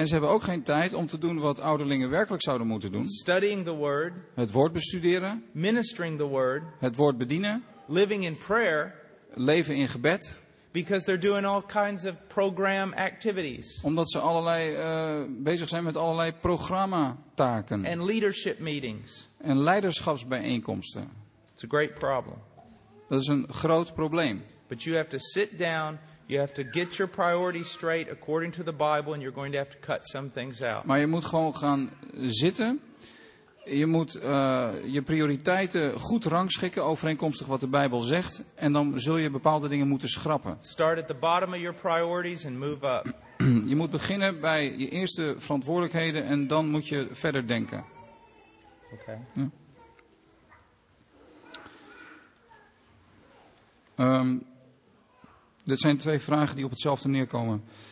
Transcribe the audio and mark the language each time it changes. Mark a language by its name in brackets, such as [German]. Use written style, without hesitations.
[Dutch] En ze hebben ook geen tijd om te doen wat ouderlingen werkelijk zouden moeten. [English] Studying the word, [Dutch] het woord bestuderen, [English] ministering the word, [Dutch] het woord bedienen, [English] living in prayer, [Dutch] leven in gebed, [English] because they're doing all kinds of program activities. [Dutch] Omdat ze allerlei bezig zijn met allerlei programmataken. [English] And leadership meetings. [Dutch] En leiderschapsbijeenkomsten. [English] It's a great problem. [Dutch] Dat is een groot probleem. [English] But you have to sit down. You have to get your priorities straight according to the Bible and you're going to have to cut some things out. [Dutch] Maar je moet gewoon gaan zitten. Je moet je prioriteiten goed rangschikken overeenkomstig wat de Bijbel zegt en dan zul je bepaalde dingen moeten schrappen. [English] Start at the bottom of your priorities and move up. [Dutch] Je moet beginnen bij je eerste verantwoordelijkheden en dan moet je verder denken. Oké. Ja. Dit zijn twee vragen die op hetzelfde neerkomen.